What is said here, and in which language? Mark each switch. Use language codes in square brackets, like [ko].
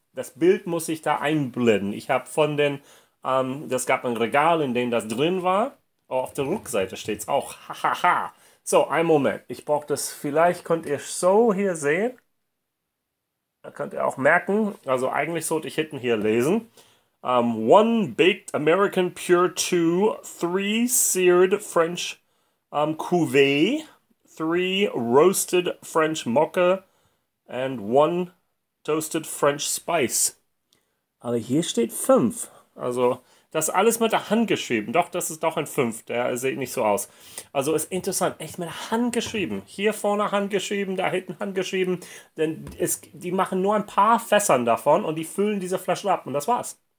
[de] Das Bild muss ich da einblenden. Ich habe von den, das gab ein Regal, in dem das drin war. Oh, auf der Rückseite steht es auch. Hahaha. So, ein Moment. Ich brauche das. Vielleicht könnt ihr so hier sehen. Da könnt ihr auch merken. Also, eigentlich sollte ich hinten hier lesen. [en] One baked American pure two, three seared French cuvée, three roasted French mocha and one toasted French spice. [de] Aber hier steht 5. Also das alles mit der Hand geschrieben. Doch, das ist doch ein 5. Der sieht nicht so aus. Also ist interessant. Echt mit der Hand geschrieben. Hier vorne Hand geschrieben, da hinten Hand geschrieben. Denn es, die machen nur ein paar Fässern davon und die füllen diese Flaschen ab. Und das war's.